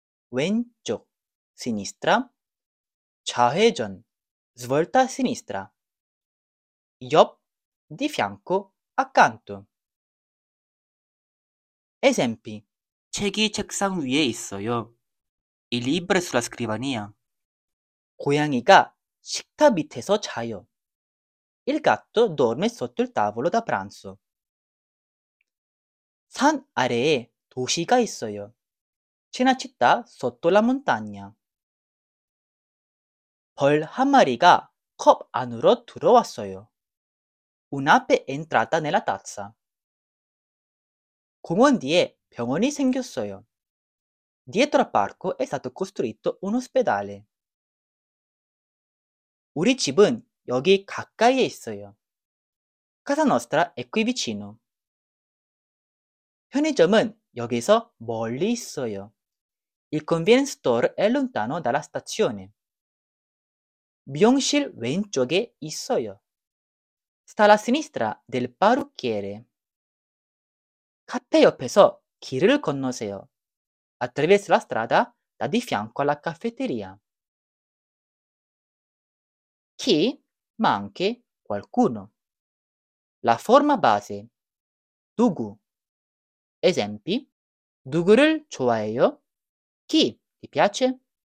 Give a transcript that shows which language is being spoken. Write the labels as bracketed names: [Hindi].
[Italian] Wenchok, sinistra. Chahejon, svolta a sinistra. Yop, di fianco. Accanto. Esempi. [Korean] 책이 책상 위에 있어요. [Italian] Il libro è sulla scrivania. [Korean] 고양이가 식탁 밑에서 자요. [Italian] Il gatto dorme sotto il tavolo da pranzo. [Korean] 산 아래에 도시가 있어요. [Italian] C'è una città sotto la montagna. [Korean] 벌한 마리가 컵 안으로 들어왔어요. [Italian] Un'ape è entrata nella tazza. [Korean] 공원 뒤에 병원이 생겼어요. [Italian] Dietro al parco è stato costruito un ospedale. [Korean] 우리 집은 여기 가까이에 있어요. [Italian] Casa nostra è qui vicino. [Korean] 편의점은 여기서 멀리 있어요. [Italian] Il convenience store è lontano dalla stazione. [Korean] 미용실 왼쪽에 있어요. [Italian] Sta alla sinistra del parrucchiere. [Korean] Caffè 옆에서 길을 건너세요. [Italian] Attraverso la strada da di fianco alla caffetteria. Chi? Ma anche qualcuno. La forma base. Dugu. Esempi. [Korean] Dugu를 좋아해요? [Italian] Chi ti piace?